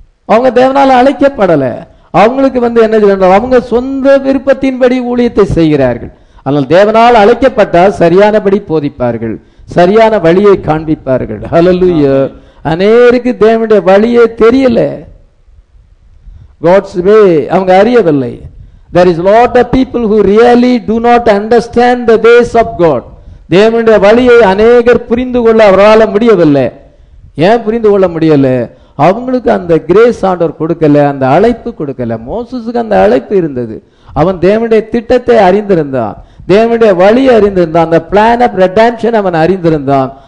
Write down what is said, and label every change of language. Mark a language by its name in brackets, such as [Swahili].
[Tamil] அவங்க தேவனால் அழைக்கப்படலை. அவங்களுக்கு வந்து என்ன சொல்ற, அவங்க சொந்த விருப்பத்தின்படி ஊழியத்தை செய்கிறார்கள். ஆனால் தேவனால் அழைக்கப்பட்டால் சரியானபடி போதிப்பார்கள், சரியான வழியை காண்பிப்பார்கள். ஹல்லேலூயா. அநேகருக்கு தேவனுடைய வழியே தெரியல, [English] God's way [Tamil] அவங்க அறியவில்லை. [English] There is a lot of people who really do not understand the ways of God. [Tamil] தேவனுடைய வழியை அநேகர் புரிந்து கொள்ள அவரால் முடியவில்லை. ஏன் புரிந்து கொள்ள முடியலை? அவங்களுக்கு அந்த கிரேஸ் ஆண்டவர் கொடுக்கல, அந்த அழைப்பு கொடுக்கல. மோசஸுக்கு அந்த அழைப்பு இருந்தது. அவன் தேவனுடைய திட்டத்தை அறிந்திருந்தான், தேவனுடைய வழியை அறிந்திருந்தான், அந்த [English] plan of redemption [Tamil] அவன் அறிந்திருந்தான்.